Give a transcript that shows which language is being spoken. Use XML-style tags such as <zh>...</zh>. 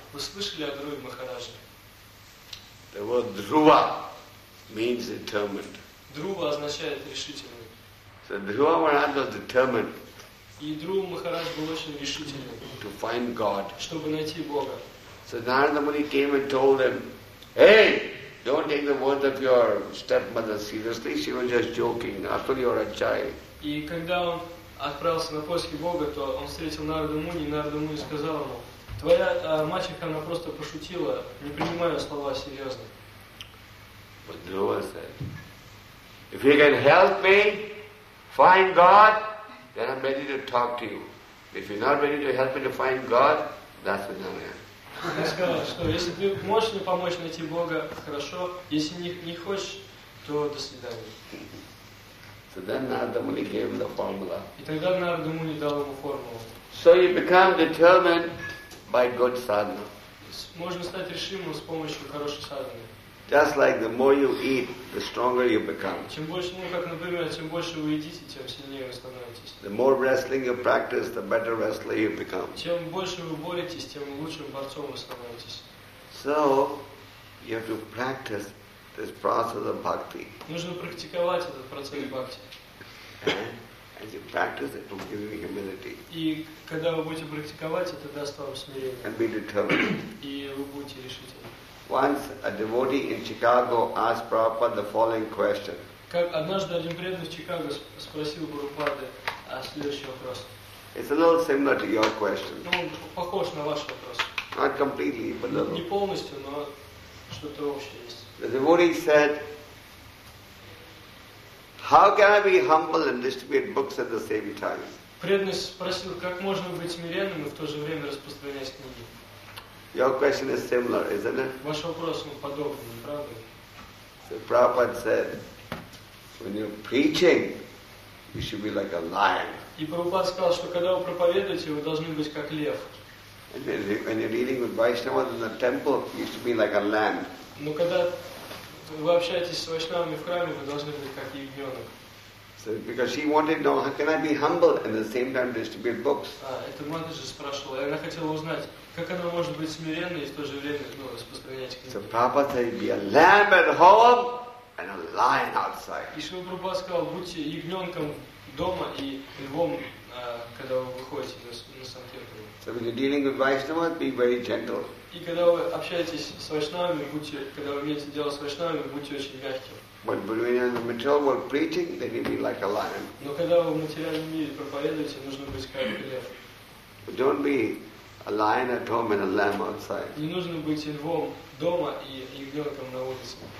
<ru>Вы слышали о Друве Махарадже?</ru> <en>The word Dhruva means determined.</en> <ru>Dhruva означает решительный.</ru> <en>So Dhruva Maharaj was determined.</en> <ru>И Друва Махарадж был очень решительный.</ru> <en>To find God.</en> <ru>Чтобы найти Бога.</ru> <en>So Narada Muni came and told him, Hey! Don't take the words of your stepmother seriously. She was just joking. After you're a child.</en> <ru>И когда он отправился на поиски Бога, то он встретил Нарада Муни, и Нарада Муни сказал ему: "Твоя мачеха, она просто пошутила. Не принимаю слова серьезно."</ru> <en>But Dhruva said, "If you can help me find God, then I'm ready to talk to you. If you're not ready to help me to find God, that's what I'm here."</en> <ru>Он сказал, что если ты можешь мне помочь найти Бога, хорошо. Если не хочешь, то до свидания.</ru> <en>So</en> <ru>и тогда Нарада Муни дал ему формулу.</ru> <en>So you become determined by good sadhana.</en> <ru>Можно стать решимым с помощью хорошей садханы.</ru> <en>Just like the more you eat, the stronger you become.</en> <ru>Чем больше, как например, чем больше вы едите, тем сильнее вы становитесь.</ru> <en>The more wrestling you practice, the better wrestler you become.</en> <ru>Чем больше вы боретесь, тем лучшим борцом вы становитесь.</ru> <en>So you have to practice this process of bhakti.</en> <ru>Нужно практиковать этот процесс бхакти.</ru> <en>As you practice it, it will give you humility.</en> <ru>И когда вы будете практиковать, это даст вам смирение.</ru> <en>And be determined.</en> <ru>И вы будете решительны.</ru> <en>Once a devotee in Chicago asked Prabhupada the following question.</en> <ru>Однажды один преданный в Чикаго спросил Прабхупады следующий вопрос.</ru> <en>It's a little similar to your question.</en> <ru>Ну, похож на ваш вопрос.</ru> <en>Not completely, but a little.</en> <ru>Не полностью, но что-то общее есть.</ru> <en>The devotee said, "How can I be humble and distribute books at the same time?"</en> <ru>Преданный спросил, как можно быть смиренным и в то же время распространять книги.</ru> <en>Your question is similar, isn't it?</en> <ru>Ваш вопрос подобный, правда?</ru> <en>So Prabhupada said, when you're preaching, you should be like a lion.</en> <ru>И Прабхупада сказал, что когда вы проповедуете, вы должны быть как лев.</ru> <en>And when you're dealing with Vaishnavas in the temple, you should be like a lamb.</en> <ru>Но когда вы общаетесь с Вайшнавами в храме, вы должны быть как ягненок.</ru> <en>So because she wanted to know, how can I be humble and at the same time distribute books?</en> <ru>Это мать же спрашивала, и она хотела узнать. Как она может быть смиренной и в то же время распространять книги?</ru> <en>So Prabhupada said, be a lamb at home and a lion outside.</en> <ru>И Шрила Прабхупада сказал, будьте ягненком дома и львом, когда вы выходите на санкиртану.</ru> <en>So when you're dealing with Vaishnavas, be very gentle.</en> <ru>И когда вы общаетесь с Вайшнавами, будьте, когда вы имеете дело с Вайшнавами, будьте очень мягким.</ru> <en>But when you're in the material world preaching, then you'd be like a lion.</en> <ru>Но когда вы в материальном мире проповедуете, нужно быть как лев.</ru> <en>But don't be a lion at home and a lamb outside.</en> <ru>Не нужно быть львом дома и ягненком на улице.</ru>